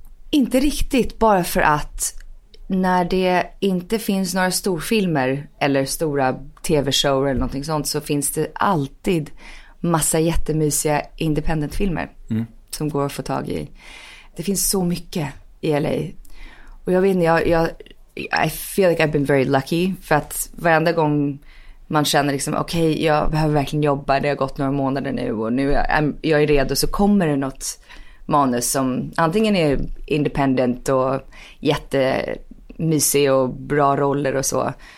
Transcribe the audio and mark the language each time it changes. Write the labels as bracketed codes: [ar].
[sv] Inte riktigt, bara för att när det inte finns några storfilmer eller stora tv-shower eller någonting sånt, så finns det alltid massa jättemysiga independent-filmer som går att få tag i. Det finns så mycket i LA. Och jag vet inte, [en] I feel like I've been very lucky. [sv] För att varenda gång man känner liksom, okej, jag behöver verkligen jobba, det har gått några månader nu och nu är jag är redo, så kommer det något manus som antingen är independent och jättemysig och bra roller och så.